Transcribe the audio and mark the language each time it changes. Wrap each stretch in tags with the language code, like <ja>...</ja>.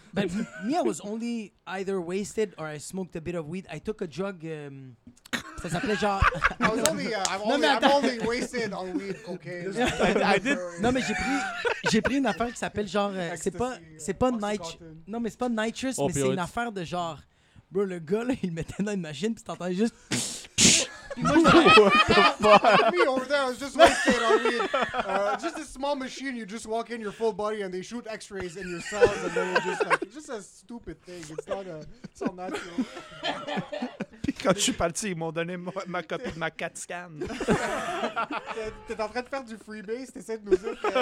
<en>But me, I was only either wasted or I smoked a bit of weed. I took a drug...</en> <fr>Ça s'appelait genre.</fr> <en>I'm only wasted on weed, cocaine.</en> <fr>Non, mais j'ai pris une affaire qui s'appelle genre. C'est pas nitrous, opioids. Mais c'est une affaire de genre. Bro, le gars, là, il mettait dans une machine, puis t'entendais juste.</fr> <en>Me over there, I was just wasted on weed. Just a small machine, you just walk in your full body and they shoot x-rays in your cells and then you're just like, it's just a stupid thing. It's not a, it's all natural.</en> <fr>Puis quand je suis parti, ils m'ont donné ma copie de ma CAT scan. T'es en train de faire du freebase, t'essaies de nous dire.</fr>